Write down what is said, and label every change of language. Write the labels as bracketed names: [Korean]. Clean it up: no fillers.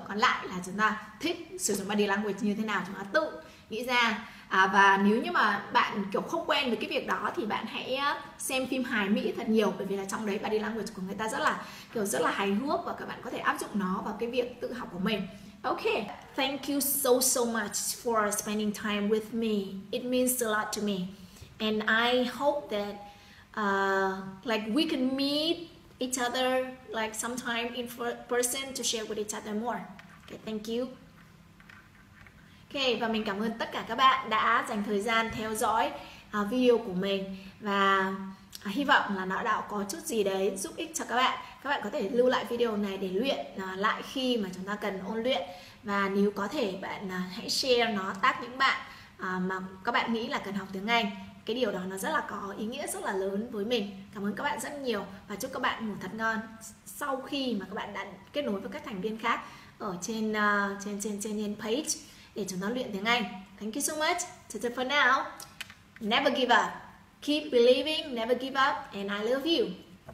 [Vietnamese] Còn lại là chúng ta thích sử dụng body language như thế nào chúng ta tự nghĩ ra. Và nếu như mà bạn kiểu không quen với cái việc đó thì bạn hãy xem phim hài Mỹ thật nhiều, bởi vì là trong đấy body language của người ta rất là kiểu rất là hài hước, và các bạn có thể áp dụng nó vào cái việc tự học của mình. [English] Ok, thank you so so much for spending time with me. It means a lot to me. And I hope that like we can meet each other like sometime in person to share with each other more. Okay, thank you. [Vietnamese] Ok, và mình cảm ơn tất cả các bạn đã dành thời gian theo dõi video của mình, và hy vọng là nó đã có chút gì đấy giúp ích cho các bạn. Các bạn có thể lưu lại video này để luyện lại khi mà chúng ta cần ôn luyện. Và nếu có thể bạn hãy share nó, tag những bạn mà các bạn nghĩ là cần học tiếng Anh. Cái điều đó nó rất là có ý nghĩa rất là lớn với mình. Cảm ơn các bạn rất nhiều và chúc các bạn ngủ thật ngon sau khi mà các bạn đã kết nối với các thành viên khác ở trên page để chúng ta luyện tiếng Anh. [English] Thank you so much. That's it for now. Never give up. Keep believing, never give up, and I love you.